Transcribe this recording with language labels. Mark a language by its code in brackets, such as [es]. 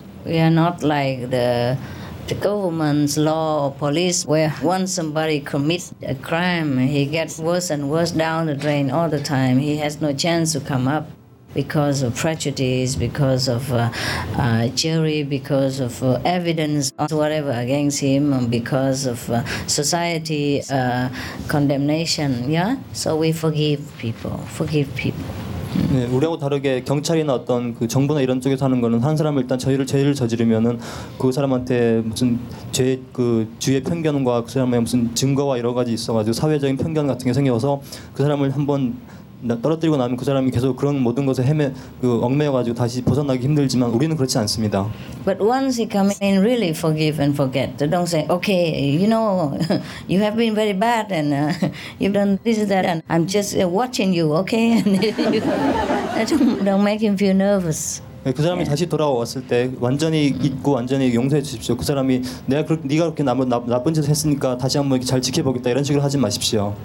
[en] We are not like the government's law or police where once somebody commits a crime, he gets worse and worse down the drain all the time. He has no chance to come up because of prejudice, because of jury, because of evidence or whatever against him, because of society condemnation, yeah? So we forgive people. [ko] 네, 우리하고 다르게 경찰이나 어떤 그 정부나 이런 쪽에서 하는 거는 한 사람을 일단 죄를 저지르면은 그 사람한테 무슨 죄 그 주의 편견과 그 사람의 무슨 증거와 여러 가지 있어가지고 사회적인 편견 같은 게 생겨서 그 사람을 한번 떨어뜨리고 나면 그 사람이 계속 그런 모든 것에 얽매여가지고 다시 벗어나기 힘들지만 우리는 그렇지 않습니다. [en] But once he come in, really forgive and forget. Don't say, okay, you know, you have been very bad and you've done this and that, and I'm just watching you, okay? And you, don't make him feel nervous. [ko] 그 사람이 다시 돌아왔을 때 완전히 잊고 완전히 용서해 주십시오. 그 사람이 내가 그렇게 네가 그렇게 나쁜 짓을 했으니까 다시 한번 이렇게 잘 지켜보겠다 이런 식으로 하지 마십시오.